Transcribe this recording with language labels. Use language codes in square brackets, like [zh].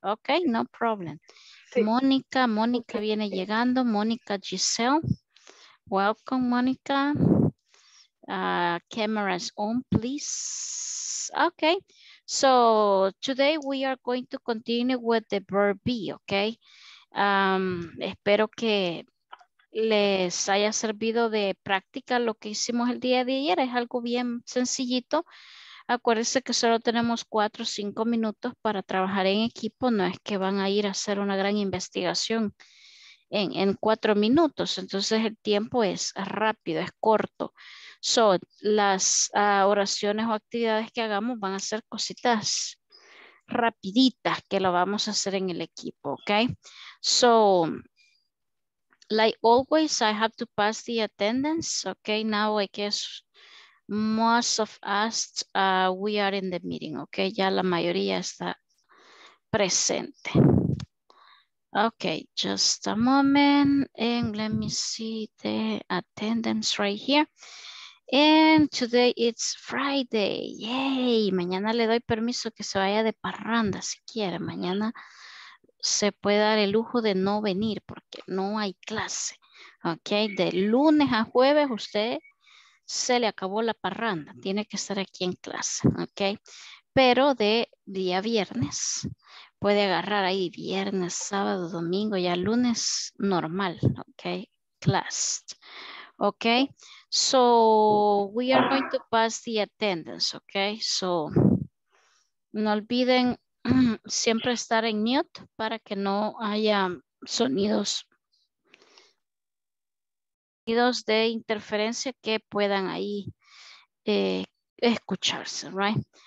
[en] Okay, no problem. Sí. Mónica, Mónica viene llegando. Mónica Giselle. Welcome, Mónica. Cameras on, please. Okay, so today we are going to continue with the verb be, okay? [es] Espero que les haya servido de práctica lo que hicimos el día de ayer. Es algo bien sencillito. Acuérdense que solo tenemos 4 o 5 minutos para trabajar en equipo. No es que van a ir a hacer una gran investigación en 4 minutos. Entonces el tiempo es rápido, es corto. So, las oraciones o actividades que hagamos van a ser cositas rapiditas que lo vamos a hacer en el equipo. [en] Okay? So, like always, I have to pass the attendance. Okay, now I guess most of us, we are in the meeting, okay? [es] Ya la mayoría está presente. [en] Okay, just a moment. And let me see the attendance right here. And today it's Friday. Yay! [es] Mañana le doy permiso que se vaya de parranda si quiere. Mañana se puede dar el lujo de no venir porque no hay clase. Ok, de lunes a jueves usted se le acabó la parranda. Tiene que estar aquí en clase, ok. Pero de día viernes puede agarrar ahí viernes, sábado, domingo, ya lunes normal, ok. [en] Class. Ok, so we are going to pass the attendance, ok. [es] So no olviden siempre estar en mute para que no haya sonidos de interferencia que puedan ahí escucharse, right?